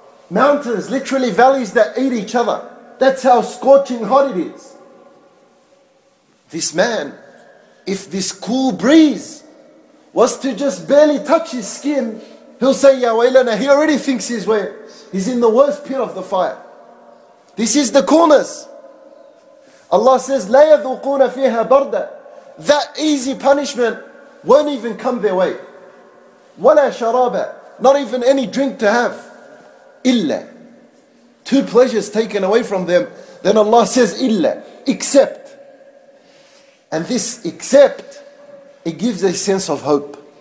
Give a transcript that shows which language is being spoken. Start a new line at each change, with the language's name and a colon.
English: Mountains, literally valleys that eat each other. That's how scorching hot it is. This man, if this cool breeze was to just barely touch his skin, he'll say, Ya waylana, he already thinks he's where. He's in the worst pit of the fire. This is the coolness. Allah says,
Arabic: لَا يَذُوقُونَ فِيهَا بَرْدًا.
English: That easy punishment won't even come their way.
Arabic: وَلَا شَرَابًا.
English: Not even any drink to have.
Arabic: إِلَّا.
English: Two pleasures taken away from them. Then Allah says, إِلَّا. Except. And this except, it gives a sense of hope.